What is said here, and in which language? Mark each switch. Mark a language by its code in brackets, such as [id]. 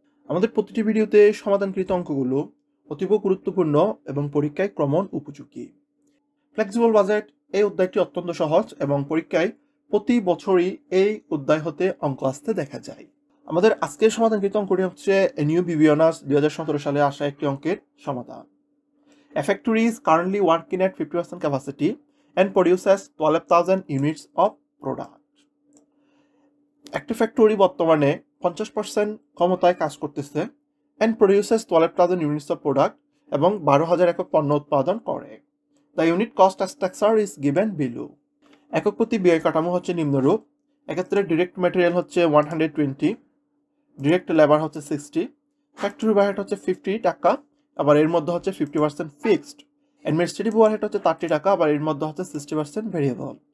[bn] আমাদের প্রতিটি ভিডিওতে সমাধানকৃত অঙ্কগুলো অতীব গুরুত্বপূর্ণ এবং পরীক্ষায় ক্রমণ উপযোগী। ফ্লেক্সিবল বাজেট এই অধ্যায়টি অত্যন্ত সহজ এবং পরীক্ষায় প্রতি বছরই এই অধ্যায় হতে অঙ্ক আসতে দেখা যায়। আমাদের আজকের সমাধানকৃত অঙ্কটি হচ্ছে এনইউ বিবিএ অনার্স 2017 সালে আসা একটি অঙ্কের সমাধান। [en] A factory is currently working at 50% capacity and produces 12,000 units of product. [bn] একটি ফ্যাক্টরি বর্তমানে 50% ক্ষমতায় কাজ করতেছে [en] and produces 12,000 units of product [bn] এবং 12,000 একক পণ্য উৎপাদন করে। [en] The unit cost structure is given below. [bn] একক প্রতি ব্যয় কাঠামো হচ্ছে নিম্নরূপ। এক্ষেত্রে ডিরেক্ট ম্যাটেরিয়াল হচ্ছে 120, ডিরেক্ট লেবার হচ্ছে 60, ফ্যাক্টরি ওভারহেড হচ্ছে 50 টাকা, আবার এর মধ্যে হচ্ছে 50% ফিক্সড। অ্যাডমিনিস্ট্রেটিভ ওভারহেড হচ্ছে 30 টাকা, আবার এর মধ্যে হচ্ছে 60% ভেরিয়েবল।